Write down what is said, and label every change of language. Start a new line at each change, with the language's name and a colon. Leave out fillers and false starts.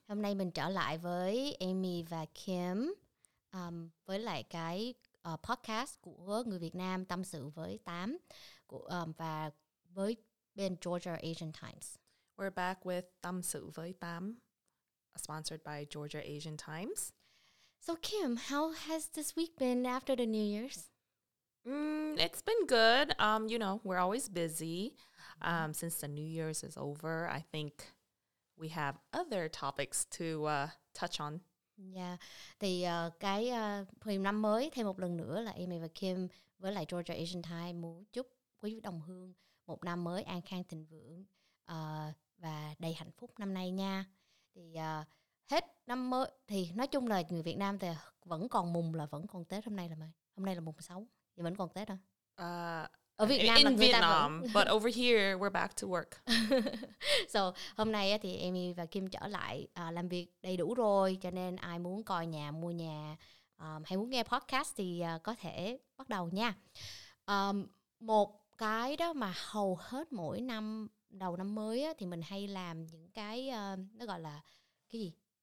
Vietnamese: Hôm nay mình trở lại với Amy và Kim với lại cái podcast của người Việt Nam tâm sự với Tam và với bên Georgia Asian Times.
English: We're back with Tam Su Voi Tam, sponsored by Georgia Asian Times. So Kim, how has this week been after the New Year's? It's been good. You know, we're always busy. Since the New Year's is over, I think we have other topics to touch on.
Vietnamese: Yeah, thì cái mừng năm mới thêm một lần nữa là Amy và Kim với lại Georgia Asian Times muốn chúc quý đồng hương một năm mới an khang thịnh vượng và đầy hạnh phúc năm nay nha. Thì hết năm mới thì nói chung là người Việt Nam thì vẫn còn mùng là vẫn còn Tết hôm nay là mày. Hôm nay là mùng 6 thì vẫn còn Tết đó. Ở Việt Nam
English: in Vietnam, but over here we're back to work.
Vietnamese: So, hôm nay thì Amy và Kim trở lại làm việc đầy đủ rồi, cho nên ai muốn coi nhà, mua nhà hay muốn nghe podcast thì có thể bắt đầu nha. Một cái đó mà hầu hết mỗi năm đầu năm mới thì mình hay làm những cái nó gọi là cái gì?